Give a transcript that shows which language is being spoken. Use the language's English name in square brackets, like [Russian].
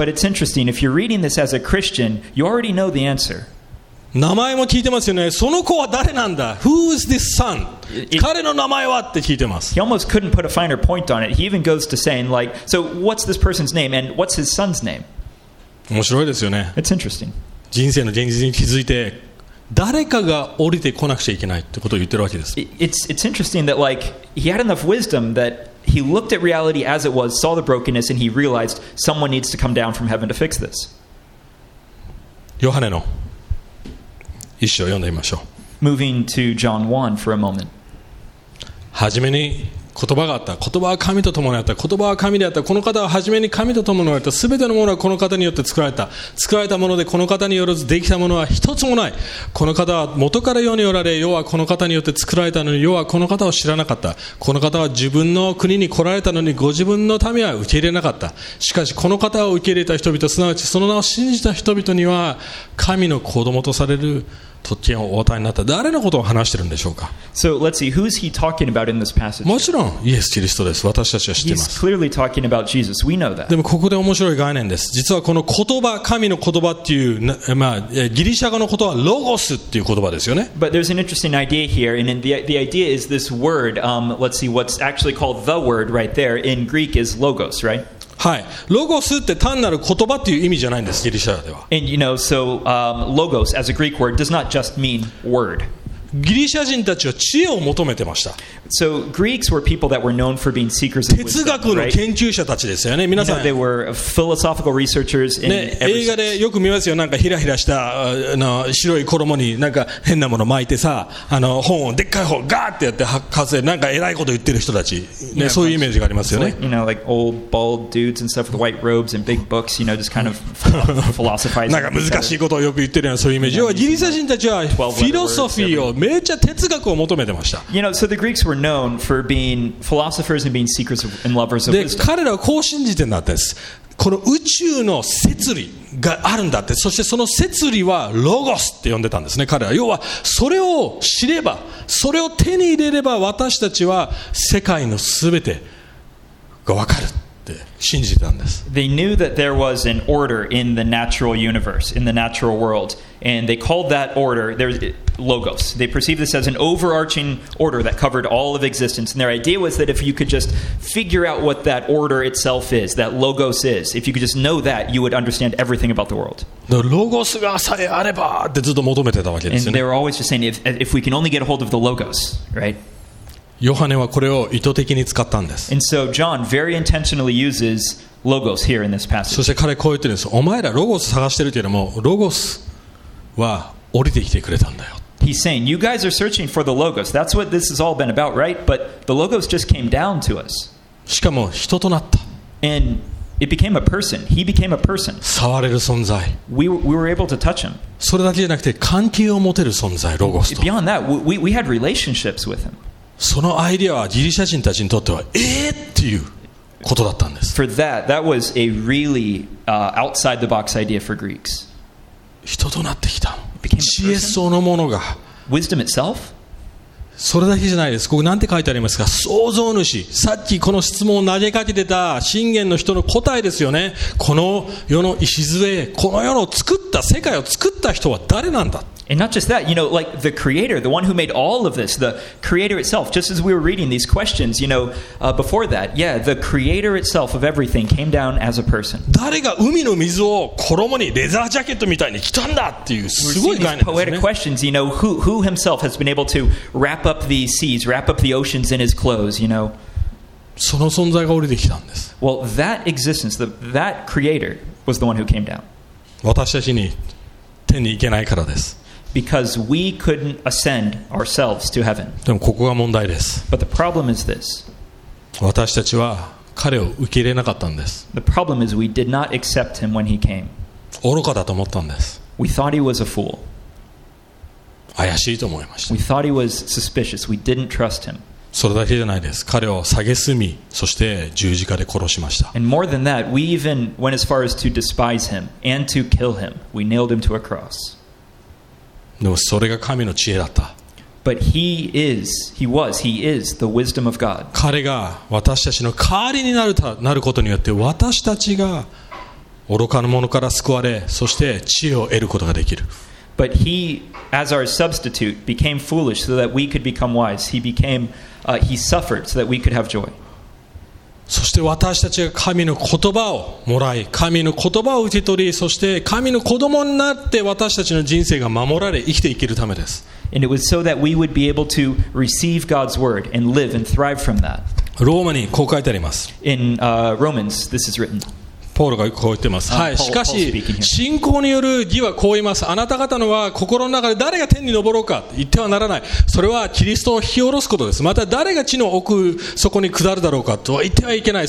[English] But it's interesting. If you're reading this as a Christian, you already know the answer. [Japanese] 名前も聞いてますよね。その子は誰なんだ ？ [English] Who is this son？ [Japanese] 彼の名前はって聞いてます。 [English] He almost couldn't put a finer point on it. He even goes to saying like, so what's this person's name and what's his son's name？ [Japanese] 面白いですよね。 [English] It's interesting. [Japanese] 人生の現実に気づいて誰かが降りてこなくちゃいけないってことを言ってるわけです。 [English] It's interesting that like he had enough wisdom that. He looked at reality as it was, saw the brokenness, and he realized someone needs to come down from heaven to fix this. [Japanese] ヨハネの一章読んでみましょう。 [English] Moving to John 1 for a moment. [Japanese] はじめに言葉があった。言葉は神と共にあった。言葉は神であった。この方ははじめに神と共にあった。すべてのものはこの方によって作られた。作られたものでこの方によらずできたものは一つもない。この方は元から世におられ、世はこの方によって作られたのに、世はこの方を知らなかった。この方は自分の国に来られたのに、ご自分の民は受け入れなかった。しかしこの方を受け入れた人々、すなわちその名を信じた人々には、神の子供とされる特権をお与えになった誰のことを話しているんでしょうか。 [English] So let's see, who is he talking about in this passage? [Japanese] もちろんイエス・キリストです。私たちは知っています。 [English] He's clearly talking about Jesus. We know that. [Japanese] でもここで面白い概念です。実はこの言葉、神の言葉っていう、まあ、ギリシャ語の言葉、ロゴスっていう言葉ですよね。 [English] But there's an interesting idea here, and the idea is this word, let's see, what's actually called the word right there in Greek is logos, right? [Japanese] はい、ロゴスって単なる言葉という意味じゃないんです、ギリシャでは。 [English] And you know, so, logos as a Greek word does not just mean word. [Japanese] ギリシャ人たちは知恵を求めてました。 [English] So Greeks were people that were known for being seekers of wisdom, right? [Japanese] 哲学の研究者たちですよね、皆さん。 [English] You know, they were philosophical researchers in every sense. [Japanese] 映画でよく見ますよ、なんかひらひらしたあの白い衣になんか変なもの巻いてさ、あの本をでっかい本ガーってやって発火せ、なんか偉いこと言ってる人たち、ね、そういうイメージがありますよね。 [English] You know, like old bald dudes and stuff with white robes and big books, you know, just kind of philosophizing. [Japanese] なんか難しいことをよく言ってるような、そういうイメージ。要はギリシャ人たちはフィロソフィーを、めっちゃ哲学を求めてました。 [English] You know, so the Greeks were known for being philosophers and being seekers and lovers of wisdom. [Japanese] で、彼らはこう信じてんだって。この宇宙の摂理があるんだって。そしてその摂理はロゴスって呼んでたんですね、彼は。要はそれを知れば、それを手に入れれば、私たちは世界のすべてがわかる。信じたんです。 [English] They knew that there was an order in the natural universe, in the natural world, and they called that order logos. They perceived this as an overarching order that covered all of existence, and their idea was that if you could just figure out what that order itself is, that logos is, if you could just know that, you would understand everything about the world. [Japanese] Logos がさえあればってずっと求めてたわけですね。 [English] And they were always just saying, if we can only get a hold of the logos, right? [Japanese] ヨハネはこれを意図的に使ったんです。 [English] And so John very intentionally uses logos here in this passage. [Japanese] そして彼はこう言ってるんです。お前らロゴス探してるけども、ロゴスは降りてきてくれたんだよ。 [English] He's saying, you guys are searching for the logos. That's what this has all been about, right? But the logos just came down to us. [Japanese] しかも人となった。 [English] And it became a person. He became a person. [Japanese] 触れる存在。 [English] We were able to touch him. [Japanese] それだけじゃなくて関係を持てる存在、ロゴスと。 [English] Beyond that, we had relationships with him. [Japanese] そのアイデアはギリシャ人たちにとってはっていうことだったんです。 [English] For that, that was a really outside the box idea for Greeks. [Japanese] 人となってきた。知恵そのものが。 [English] Wisdom itself? [Japanese] それだけじゃないです。ここなんて書いてありますか。創造主。さっきこの質問を投げかけてた信玄の人の答えですよね。この世の礎、この世の作った、世界を作った人は誰なんだ。 [English] And not just that, you know, like the creator, the one who made all of this, the creator itself, just as we were reading these questions, you know, before that, yeah, the creator itself of everything came down as a person. [Japanese] 誰が海の水を衣にレザージャケットみたいに着たんだっていうすごい概念ですね。 [English] We're seeing these poetic questions, you know, who himself has been able to wrap up the seas, wrap up the oceans in his clothes, you know. [Japanese] その存在が降りてきたんです。 [English] Well, that existence, that creator was the one who came down. [Japanese] 私たちに手に行けないからです。 [English] Because we couldn't ascend ourselves to heaven. [Japanese] でもここが問題です。 [English] But the problem is this. [Japanese] 私たちは彼を受け入れなかったんです。 [English] The problem is we did not accept him when he came. [Japanese] 愚かだと思ったんです。 [English] We thought he was a fool. [Japanese] 怪しいと思いました。 [English] We thought he was suspicious. We didn't trust him. [Japanese] それだけじゃないです。彼を蔑み、そして十字架で殺しました。 [English] And more than that, we even went as far as to despise him and to kill him. We nailed him to a cross. [Japanese] でもそれが神の知恵だった。 [English] But he is the wisdom of God. [Japanese] 彼が私たちの代わりになる、なることによって私たちが愚かな者から救われ、そして知恵を得ることができる。 [English] But he, as our substitute, became foolish so that we could become wise. He suffered so that we could have joy. [Japanese] そして私たちが神の言葉をもらい、神の言葉を受け取り、そして神の子供になって私たちの人生が守られ、生きていけるためです。 [English] And it was so that we would be able to receive God's word and live and thrive from that. [Japanese] ローマにこう書いてあります。 [English] In Romans, this is written. [Japanese] ポールがこう言ってます。はい。しかし信仰による義はこう言います。あなた方のは心の中で誰が天に昇ろうか言ってはならない。それはキリストを引き下ろすことです。また誰が地の奥底に下るだろうかと言ってはいけない。